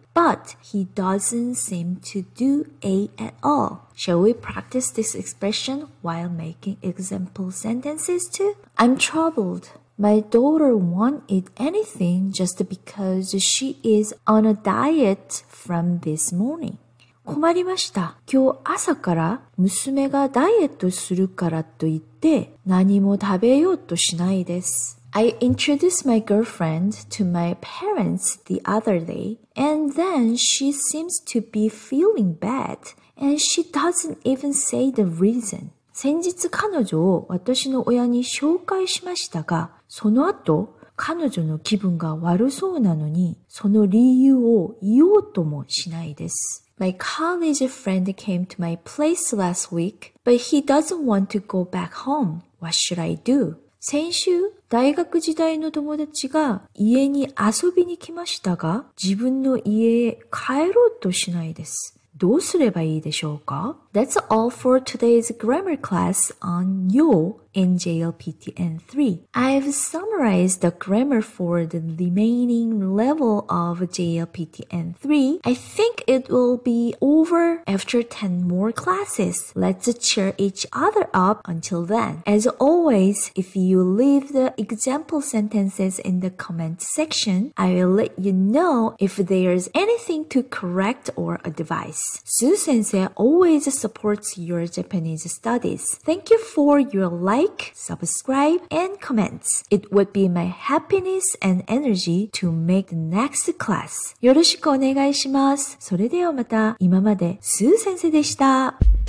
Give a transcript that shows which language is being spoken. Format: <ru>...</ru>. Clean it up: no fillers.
<en>But he doesn't seem to do A at all. Shall we practice this expression while making example sentences too? I'm troubled. My daughter won't eat anything just because she is on a diet from this morning.</en> <ja>困りました。今日朝から娘がダイエットするからと言って何も食べようとしないです。</ja> <en>I introduced my girlfriend to my parents the other day, and then she seems to be feeling bad, and she doesn't even say the reason.</en> <ja>先日彼女を私の親に紹介しましたが、その後彼女の気分が悪そうなのに、その理由を言おうともしないです。</ja> <en>My college friend came to my place last week, but he doesn't want to go back home. What should I do?</en> <ja>先週、大学時代の友達が家に遊びに来ましたが、自分の家へ帰ろうとしないです。どうすればいいでしょうか?</ja> <en>That's all for today's grammar class on YO in JLPTN3. I've summarized the grammar for the remaining level of JLPTN3. I think it will be over after 10 more classes. Let's cheer each other up until then. As always, if you leave the example sentences in the comment section, I will let you know if there's anything to correct or advise. Sue-sensei always supports your Japanese studies. Thank you for your like, subscribe, and comments. It would be my happiness and energy to make the next class.</en> <ja>よろしくお願いします。それではまた。今まで、スー先生でした。</ja>